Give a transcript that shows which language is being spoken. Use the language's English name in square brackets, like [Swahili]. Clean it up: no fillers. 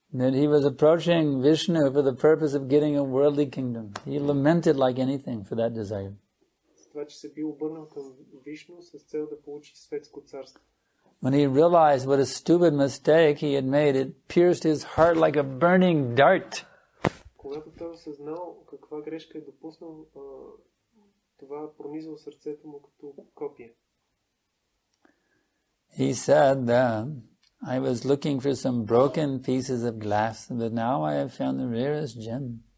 [English] That he was approaching Vishnu for the purpose of getting a worldly kingdom. He lamented like anything for that desire. [Bulgarian] Това, че се бил обърнал към Вишну с цел да получи светско царство. [English] When he realized what a stupid mistake he had made, it pierced his heart like a burning dart. [Bulgarian] Когато той осъзнал каква грешка е допуснал, това пронизало сърцето му като копие. [English] He said that I was looking for some broken pieces of glass, but now I have found the rarest gem.